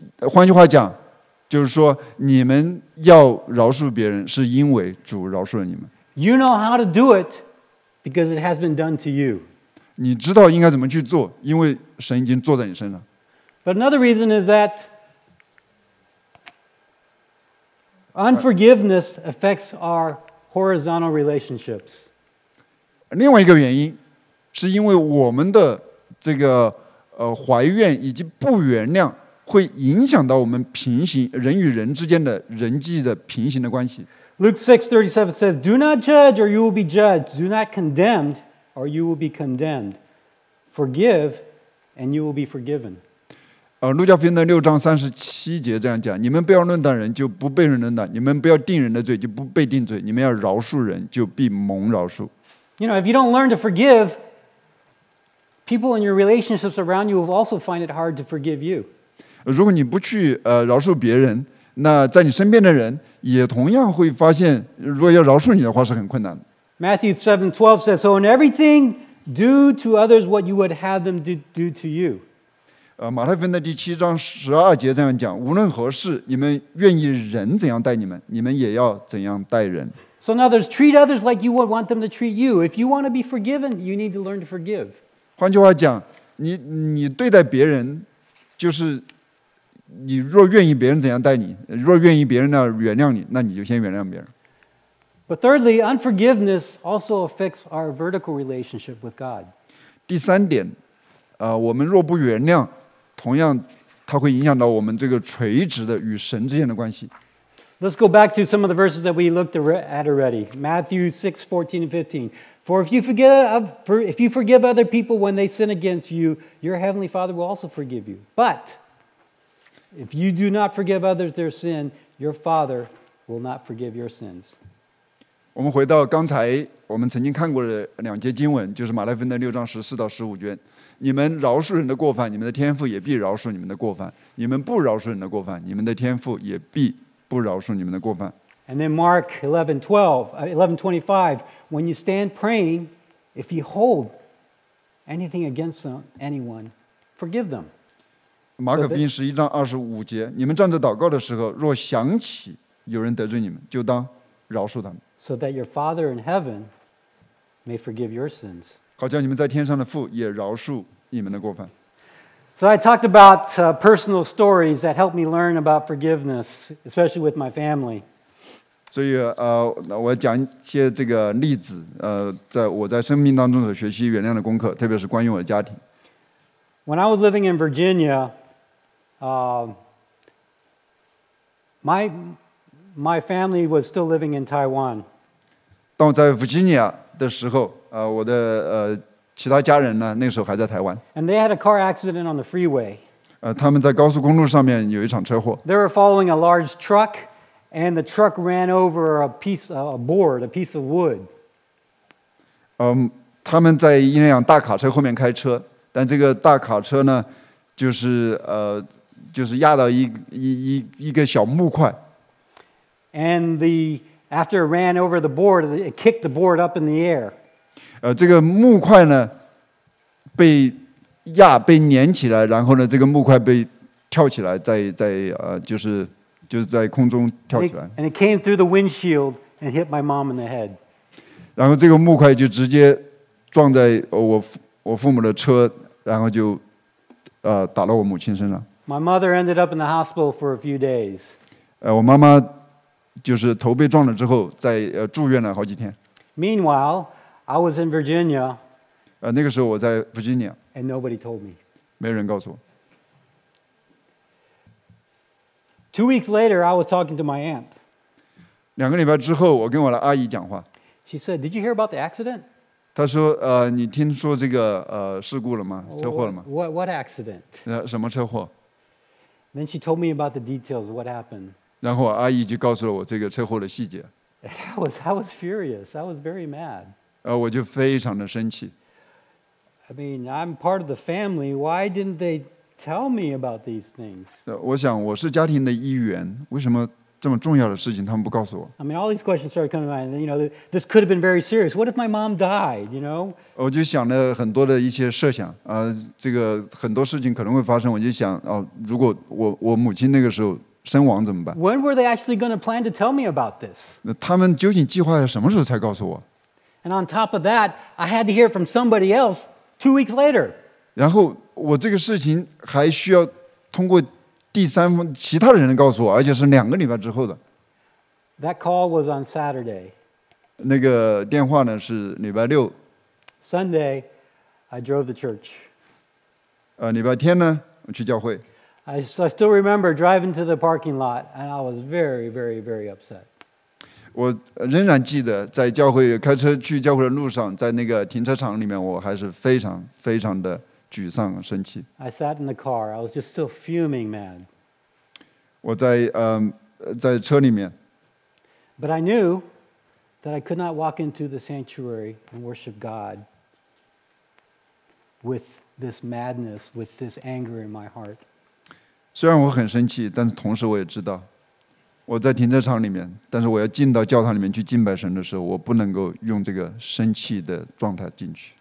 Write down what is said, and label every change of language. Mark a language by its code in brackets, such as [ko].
[zh] 换句话讲，就是说你们要饶恕别人，是因为主饶恕了你们。 [en] You know how to do it because it has been done to you. [zh] 你知道应该怎么去做，因为神已经做在你身上。 [en] But another reason is that unforgiveness affects our horizontal relationships. [zh] 另外一个原因是因为我们的这个怀怨以及不原谅会影响到我们平行人与人之间的人际的平行的关系。 [en] Luke 6:37 says, "Do not judge, or you will be judged. Do not condemn, or you will be condemned. Forgive, and you will be forgiven." [zh] 路加福音的六章三十七节这样讲，你们不要论断人，就不被人论断；你们不要定人的罪，就不被定罪；你们要饶恕人，就必蒙饶恕。 [en] You know, if you don't learn to forgive, people in your relationships around you will also find it hard to forgive you. [zh] 如果你不去饶恕别人，那在你身边的人也同样会发现，如果要饶恕你的话是很困难的。 [en] Matthew 7:12 says, "So in everything, do to others what you would have them do to you." [zh] 马太福音的第七章十二节这样讲，无论何事，你们愿意人怎样待你们，你们也要怎样待人。 [en] So in others, treat others like you would want them to treat you. If you want to be forgiven, you need to learn to forgive. [zh] 换句话讲，你对待别人就是。你若愿意别人怎样待你，若愿意别人呢原谅你，那你就先原谅别人。 [en] But thirdly, unforgiveness also affects our vertical relationship with God. [zh] 第三点，我们若不原谅，同样它会影响到我们这个垂直的与神之间的关系。 [en] Let's go back to some of the verses that we looked at already. Matthew 6:14-15. For if you forgive other people when they sin against you, your heavenly Father will also forgive you. But if you do not forgive others their sin, your Father will not forgive your sins. [zh] 我们回到刚才我们曾经看过的两节经文，就是马太福音的六章十四到十五卷。你们饶恕人的过犯，你们的天父也必饶恕你们的过犯；你们不饶恕人的过犯，你们的天父也必不饶恕你们的过犯。 [en] And then Mark 11:25, when you stand praying, if you hold anything against anyone, forgive them. [zh] 马可福音十一章二十五节，你们站着祷告的时候，若想起有人得罪你们，就当饶恕他们。 [en] So that your Father in heaven may forgive your sins. [zh] 好叫你们在天上的父也饶恕你们的过犯。 [en] So I talked about personal stories that helped me learn about forgiveness, especially with my family. [zh] 所以我讲一些这个例子，在我在生命当中所学习原谅的功课，特别是关于我的家庭。 [en] When I was living in Virginia, my family was still living in Taiwan. [zh] 当我在 Virginia 的时候，我的其他家人呢，那个时候还在台湾。 [en] And they had a car accident on the freeway. [zh] 他们在高速公路上面有一场车祸。 [en] They were following a large truck, and the truck ran over a piece of wood. [zh] 他们在一辆大卡车后面开车。但这个大卡车呢，就是压到一个小木块。 [en] And after it ran over the board, it kicked the board up in the air. [zh] 这个木块呢，被碾起来，然后呢，这个木块被跳起来，在在空中跳起来。 [en] And it came through the windshield and hit my mom in the head. [zh] 然后这个木块就直接撞在我父母的车。然后就打到我母亲身上。 [en] My mother ended up in the hospital for a few days. [zh] 我妈妈就是头被撞了之后在住院了好几天。 [en] Meanwhile, I was in Virginia. [zh] 那个时候我在 Virginia. [en] And nobody told me. [zh] 没人告诉我。 [en] Two weeks later, I was talking to my aunt. [zh] 两个礼拜之后我跟我的阿姨讲话。 [en] She said, "Did you hear about the accident?" [zh] 他说你听说这个事故了吗？车祸了吗？ [en] What accident? [zh] 什么车祸？ [en] Then she told me about the details of what happened. [zh] 然后阿姨就告诉了我这个车祸的细节。 [en] I was furious. I was very mad. [zh] 我就非常的生气。 [en] I mean, I'm part of the family. Why didn't they tell me about these things? [zh] 我想我是家庭的一员，为什么这么重要的事情他们不告诉我？ [en] I mean, all these questions started coming to mind. You know, this could have been very serious. What if my mom died? You know? [zh] 我就想了很多的一些设想，这个很多事情可能会发生。我就想，如果我母亲那个时候身亡怎么办？ [en] When were they actually going to plan to tell me about this? [zh] 那他们究竟计划什么时候才告诉我？ [en] And on top of that, I had to hear from somebody else 2 weeks later. [zh] 然后我这个事情还需要通过第三方其他的人告诉我，而且是两个礼拜之后的。 [en] That call was on Saturday. [zh] 那个电话呢是礼拜六。 [en] Sunday, I drove to church. [zh] 礼拜天呢我去教会。 [en] I still remember driving to the parking lot, and I was very, very, very upset. [zh] 我仍然记得在教会开车去教会的路上，在那个停车场里面，我还是非常非常的沮丧生气。 [en] I sat in the car. I was just still fuming, man. [zh] 我在在车里面。 [en] But I knew that I could not walk into the sanctuary and worship God with this madness, with this anger in my heart. [zh] 虽然我很生气，但是同时我也知道，我在停车场里面，但是我要进到教堂里面去敬拜神的时候，我不能够用这个生气的状态进去。